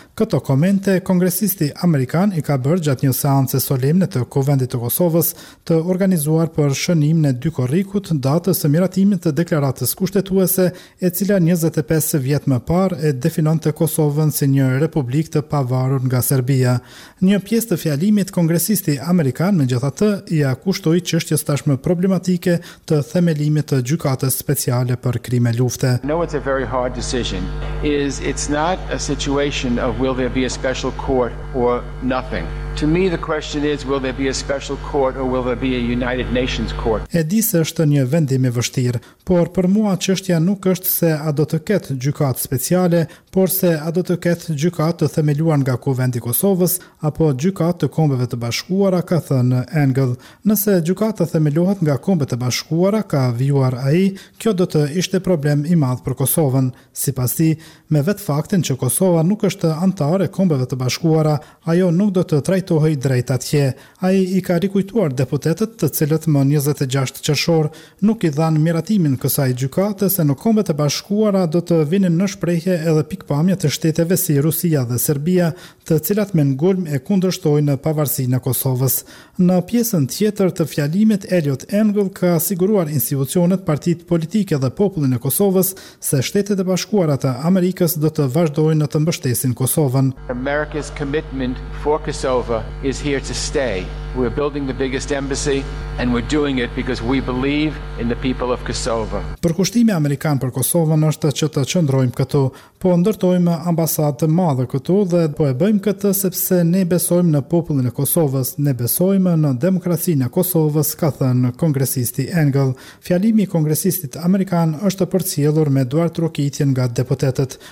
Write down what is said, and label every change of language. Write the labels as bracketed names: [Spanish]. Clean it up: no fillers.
[Albanian] Këto komente kongresisti amerikan i ka bërë gjatë një seance solemne të Kuvendit të Kosovës të organizuar për shënim në dy korrikut datës së miratimit të deklaratës kushtetuese, e cila 25 vjet më parë e definonte Kosovën si një republikë të pavarur nga Serbia. Një pjesë të fjalimit kongresisti amerikan megjithatë i akushtoi çështjes tashmë problematike të themelimit të gjykatës speciale për krime lufte. [English] No, it's a very hard decision. It's not a situation of will there be a special court or nothing. To me the question is will there be a special court or will there be a United Nations court. [Albanian] E di se është një vendim i vështirë, por për mua çështja nuk është se a do të ketë gjykatë speciale, por se a do të ketë gjykatë të themeluar nga Kuvendi Kosovës apo gjykatë të Kombeve të Bashkuara, ka thënë Engel. Nëse gjykata themelohet nga Kombet të Bashkuara, ka vijuar ai, kjo do të ishte problem i madh për Kosovën. Sipas tij, me vetë faktin që Kosova nuk është antare Kombeve të Bashkuara, ajo nuk do të trajtohej drejt atje. Ai i ka rikujtuar deputetët të cilët më 26 qershor nuk i dhanë miratimin kësaj gjykate se në Kombet të Bashkuara do të vinin në shprehje edhe pikpamjet të shteteve si Rusia dhe Serbia, të cilat me ngulm e kundërshtojnë pavarësinë e Kosovës. Në pjesën tjetër të fjalimit, Elliot Engel ka siguruar institucionet, partitë politike dhe popullin e Kosovës se Shtetet e Bashkuara të Amerikës do të vazhdojnë të mbështesin Kosovën. [English] America's commitment for Kosovo is here to stay. We're building the biggest embassy and we're doing it because we believe in the people of Kosovo. [Albanian] Përkushtimi amerikan për Kosovën është që të qëndrojmë këtu, po ndërtojmë ambasadë të madhe këtu dhe po e bëjmë këtë sepse ne besojmë në popullin e Kosovës, ne besojmë në demokracinë e Kosovës, ka thënë kongresisti Engel. Fjalimi i kongresistit amerikan është përcjellur me duart rokitjen nga deputetët.